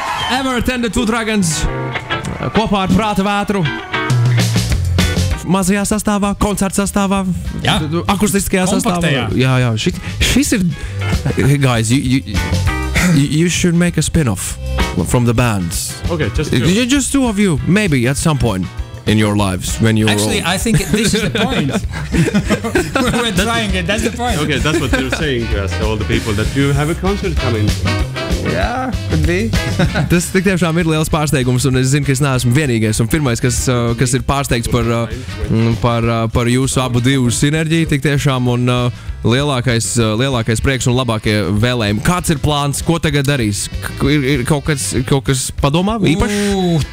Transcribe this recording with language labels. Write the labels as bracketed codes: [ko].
[lv] Ewert and the Two Dragons kopā ar prāta vētru mazajā sastāvā, koncerta sastāvā, jā. Akustiskajā sastāvā. Jā, jā, šis ir... [en] Hey guys, you should make a spin-off from the bands. Okay, just two. Just two of you, maybe at some point in your lives when you're actually old. I think this is the point. We're that's trying it, that's the point. Okay, that's what they're saying to us, all the people, that you have a concert coming. Jā, could be. [lv] Tas tik tiešām ir liels pārsteigums, un es zinu, ka es neesmu vienīgais un pirmais, kas ir pārsteigts par jūsu abu divu sinerģiju, tik tiešām, un lielākais prieks un labākie vēlējumi. Kāds ir plāns, ko tagad darīs? Ir kaut kas padomā īpaši?